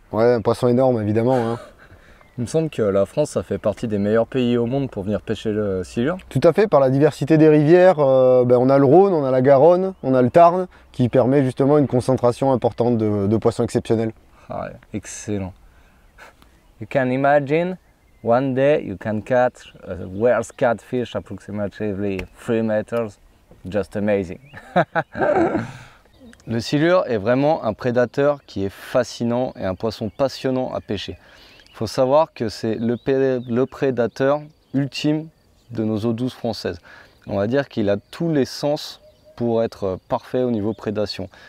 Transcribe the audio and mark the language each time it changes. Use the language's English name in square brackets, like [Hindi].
[French] Ouais, un poisson énorme, évidemment. Hein. Il me semble que la France, ça fait partie des meilleurs pays au monde pour venir pêcher le silure. Tout à fait, par la diversité des rivières, on a le Rhône, on a la Garonne, on a le Tarn, qui permet justement une concentration importante de poissons exceptionnels. Ah, excellent. [English] You can imagine, one day you can catch a world's catfish approximately 3 meters, just amazing. [French] Le silure est vraiment un prédateur qui est fascinant et un poisson passionnant à pêcher. Il faut savoir que c'est le prédateur ultime de nos eaux douces françaises. On va dire qu'il a tous les sens pour être parfait au niveau prédation.